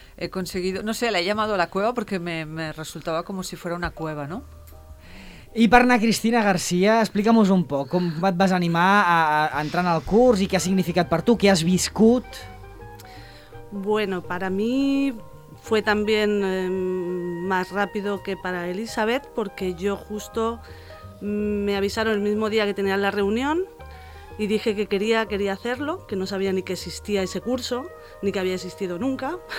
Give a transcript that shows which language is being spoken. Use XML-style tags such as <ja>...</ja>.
<es>He conseguido, no sé, la he llamado la cueva porque me resultaba como si fuera una cueva, ¿no?</es> <ca>I per anar a Cristina García, explica'm-nos un poc com et vas animar a entrar en el curs i què ha significat per tu, què has viscut.</ca> <es>Bueno, para mí fue también más rápido que para Elisabet, porque yo justo me avisaron el mismo día que tenían la reunión y dije que quería hacerlo, que no sabía ni que existía ese curso, ni que había existido nunca.</es>